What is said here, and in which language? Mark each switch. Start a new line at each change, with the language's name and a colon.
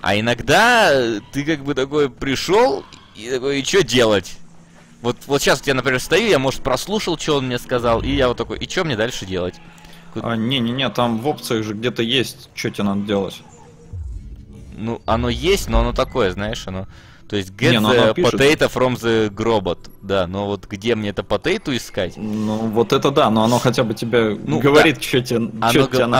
Russian: А иногда ты как бы такой пришел и такой, и что делать? Вот сейчас вот я, например, стою, я, может, прослушал, что он мне сказал, и я вот такой, и что мне дальше делать? Не-не-не, там в опциях же где-то есть, что тебе надо делать. Ну, оно есть, но оно такое, знаешь, оно... То есть,
English: get the potato from the robot.
Russian: Да, но вот где мне это potato искать? Ну, вот это да, но оно хотя бы тебе ну, говорит, да.